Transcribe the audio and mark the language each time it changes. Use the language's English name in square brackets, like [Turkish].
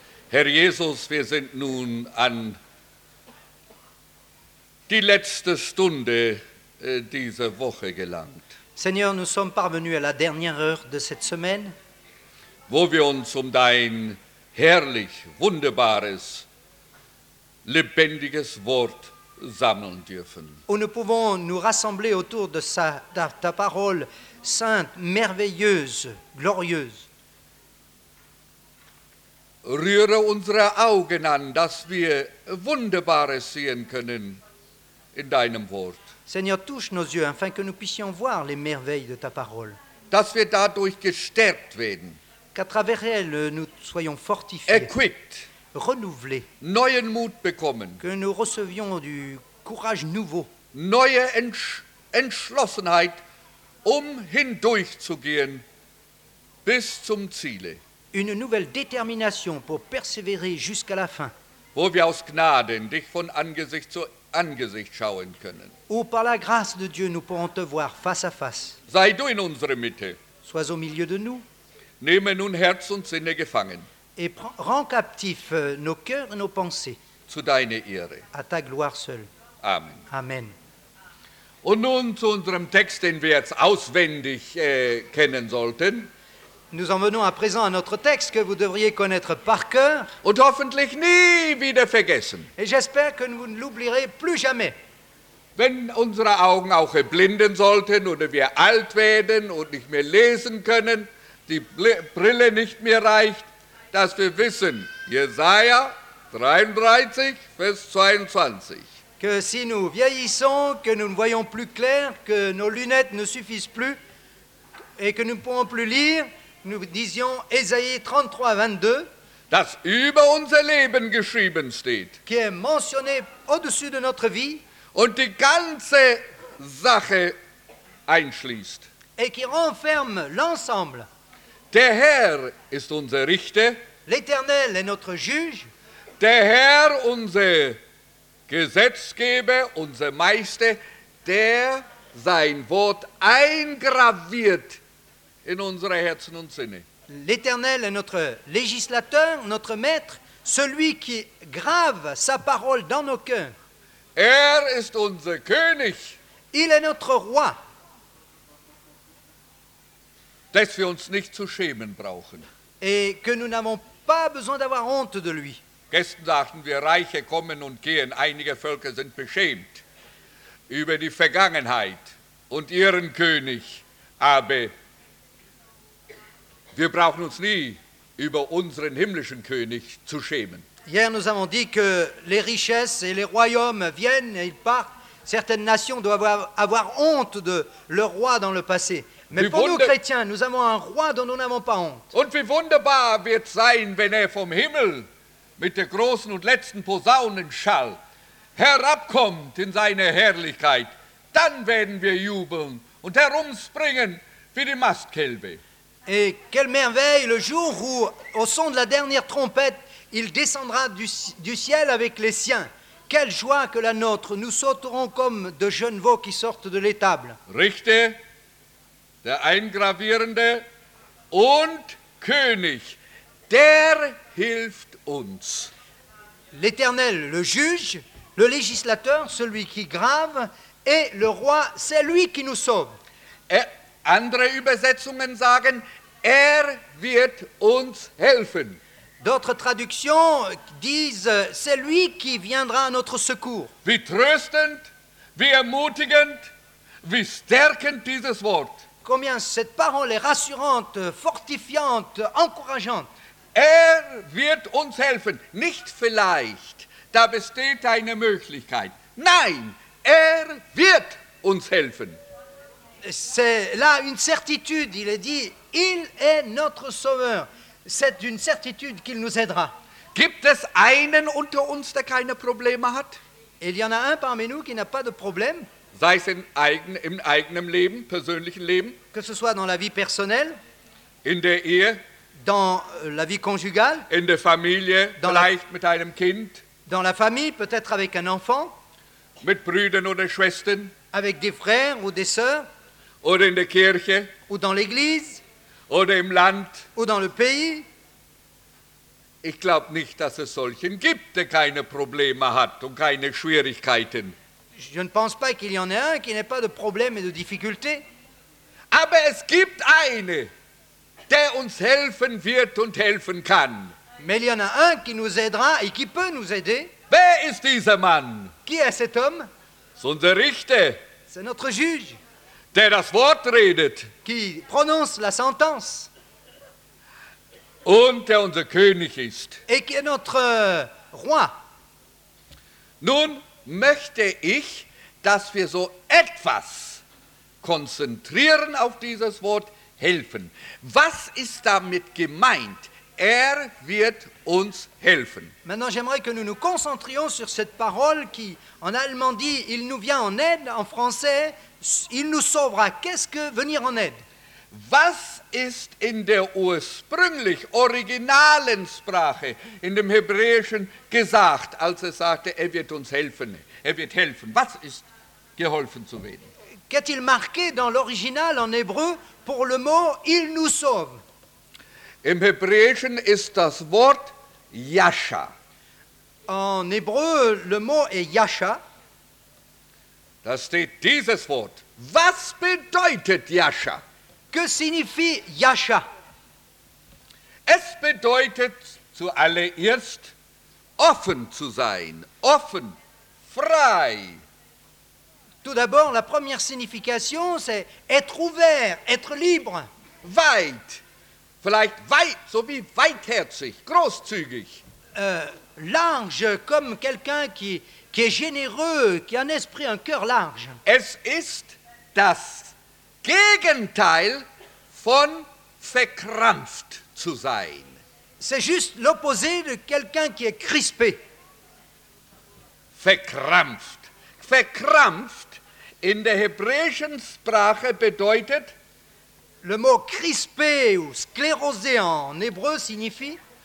[German] Herr Jesus, wir sind nun an die letzte Stunde dieser Woche gelangt. [French] Seigneur, nous sommes parvenus à la dernière heure de cette semaine, [German] wo wir uns um dein herrlich, wunderbares, lebendiges Wort sammeln dürfen. [French] Où nous pouvons nous rassembler autour de ta parole sainte, merveilleuse, glorieuse. [German] Rühre unsere Augen an, dass wir Wunderbares sehen können in deinem Wort. [French] Seigneur, touche nos yeux, afin que nous puissions voir les merveilles de ta parole. [German] Dass wir dadurch gestärkt werden. [French] Qu'à travers elle, nous soyons fortifiés. [English] Equipped. [French] Renouveler, [German] neuen Mut bekommen, [French] que nous recevions du courage nouveau, [German] neue Entschlossenheit, um hindurchzugehen bis zum Ziele, [French] une nouvelle détermination pour persévérer jusqu'à la fin, [German] wo wir aus Gnaden dich von Angesicht zu Angesicht schauen können, [French] où par la grâce de Dieu nous pourrons te voir face à face. [German] Sei du in unserer Mitte, [French] sois au milieu de nous, [German] nehme nun Herz und Sinne gefangen. [French] Et rend captifs nos cœurs et nos pensées. [German] Zu deine Ehre. [French] À ta gloire seule. [German] Amen. [French] Amen. [German] Und nun zu unserem Text, den wir jetzt auswendig kennen sollten. [French] Nous en venons à présent à notre texte que vous devriez connaître par cœur. [German] Und hoffentlich nie wieder vergessen. [French] Et j'espère que vous ne l'oublierez plus jamais. [German] Wenn unsere Augen auch erblinden sollten oder wir alt werden und nicht mehr lesen können, die Brille nicht mehr reicht, dass wir wissen, Jesaja 33, Vers 22. [French] Que si nous vieillissons, que nous ne voyons plus clair, que nos lunettes ne suffisent plus, et que nous ne pouvons plus lire, nous disions Jesaja 33, 22. [German] Das über unser Leben geschrieben steht. [French] Qui est mentionné au-dessus de notre vie. [German] Und die ganze Sache einschließt. [French] Et qui renferme l'ensemble. [German] Der Herr ist unser Richter. [French] L'Éternel est notre juge. [German] Der Herr, unser Gesetzgeber, unser Meister, der sein Wort eingraviert in unsere Herzen und Sinne. [French] L'Éternel est notre législateur, notre maître, celui qui grave sa parole dans nos cœurs. [German] Er ist unser König. [French] Il est notre roi. [German] Dass wir uns nicht zu schämen brauchen. [French] Et que nous n'avons pas besoin d'avoir honte de lui. [German] Gestern sagten wir, Reiche kommen und gehen. Einige Völker sind beschämt über die Vergangenheit und ihren König. Aber wir brauchen uns nie über unseren himmlischen König zu schämen. [French] Hier, nous avons dit que les richesses et les royaumes viennent et ils partent. Certaines nations doivent avoir honte de leur roi dans le passé. Mais [German] wie [French] pour nous, chrétiens, nous avons un roi dont nous n'avons pas honte. [German] Und wie wunderbar wird sein, wenn er vom Himmel mit der großen und letzten Posaunenschall herabkommt in seine Herrlichkeit. Dann werden wir jubeln und herumspringen wie die Mastkälbe. [French] Et quelle merveille le jour où, au son de la dernière trompette, Il descendra du ciel avec les siens. Quelle joie que la nôtre! Nous sauterons comme de jeunes veaux qui sortent de l'étable. [German] Richter, der Eingravierende und König, der hilft uns. [French] L'Éternel, le juge, le législateur, celui qui grave, et le roi, c'est lui qui nous sauve. [German] Andere Übersetzungen sagen, er wird uns helfen. [French] D'autres traductions disent, c'est lui qui viendra à notre secours. [German] Wie tröstend, wie ermutigend, wie stärkend dieses Wort. [French] Combien cette parole est rassurante, fortifiante, encourageante. [German] Er wird uns helfen, nicht vielleicht, da besteht eine Möglichkeit. Nein, er wird uns helfen. [French] C'est là une certitude, il est dit, il est notre sauveur. C'est une certitude qu'il nous aidera. [German] Gibt es einen unter uns, der keine Probleme hat? [French] Il y en a un parmi nous qui n'a pas de problème. [German] Sei es im eigenen Leben, persönlichen Leben. [French] Que ce soit dans la vie personnelle. [German] In der Ehe. [French] Dans la vie conjugale. [German] In der Familie, [French] dans [German] vielleicht mit einem Kind. [French] Dans la famille, peut-être avec un enfant. [German] Mit Brüdern oder Schwestern. [French] Avec des frères ou des sœurs. [German] Oder in der Kirche. [French] Ou dans l'église. [German] Oder im Land. [French] Ou dans le pays. [German] Ich glaube nicht, dass es solchen gibt, der keine Probleme hat und keine Schwierigkeiten. [French] Je ne pense pas qu'il y en ait un qui n'ait pas de problèmes et de difficultés. [German] Aber es gibt einen, der uns helfen wird und helfen kann. [French] Mais il y en a un qui nous aidera et qui peut nous aider. [German] Wer ist dieser Mann? [French] Qui est cet homme? C'est [German] unser Richter. [French] C'est notre juge. [German] Der das Wort redet. [French] Qui prononce la sentence. [German] Und der unser König ist. [French] Et qui est notre roi. [German] Nun möchte ich, dass wir so etwas konzentrieren auf dieses Wort helfen. Was ist damit gemeint? Er wird uns helfen. [French] Maintenant, j'aimerais que nous nous concentrions sur cette parole qui, en allemand dit, il nous vient en aide, en français, il nous sauvera. Qu'est-ce que venir en aide? [German] Was ist in der ursprünglich originalen Sprache, in dem Hebräischen, gesagt, als es sagte, er wird uns helfen? Er wird helfen. Was ist geholfen zu werden? [French] Qu'est-il marqué dans l'original en hébreu pour le mot il nous sauve? [German] Im Hebräischen ist das Wort Yasha. [French] En hébreu, le mot est Yasha. [German] Da steht dieses Wort. Was bedeutet Yasha? [French] Que signifie Yasha? [German] Es bedeutet zuallererst offen zu sein. Offen, frei. [French] Tout d'abord, la première signification, c'est être ouvert, être libre. [German] Weit. Vielleicht weit, so wie weitherzig, großzügig. [French] Large, comme quelqu'un qui est généreux, qui a un esprit, un cœur large. [German] Es ist das Gegenteil von verkrampft zu sein. [French] C'est juste l'opposé de quelqu'un qui est crispé. [German] Verkrampft. Verkrampft in der hebräischen Sprache bedeutet... [French] Le mot crispé ou sclérosé en hébreu signifie